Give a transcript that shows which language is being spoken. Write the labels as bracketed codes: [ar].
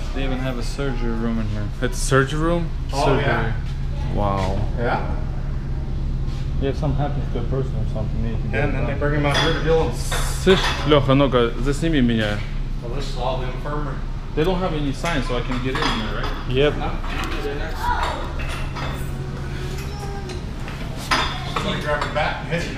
[en] They even have a surgery room in here. It's surgery room? Oh, surgery. Yeah. Wow. Yeah. If something happens to a person or something, and then they bring him out here to deal with. [ru] Слышь, Лёха, ну-ка, засними меня. [en] Well, this is all the infirmary. They don't have any signs, so I can get in there, right? Yep. I'm gonna grab a bat and hit you.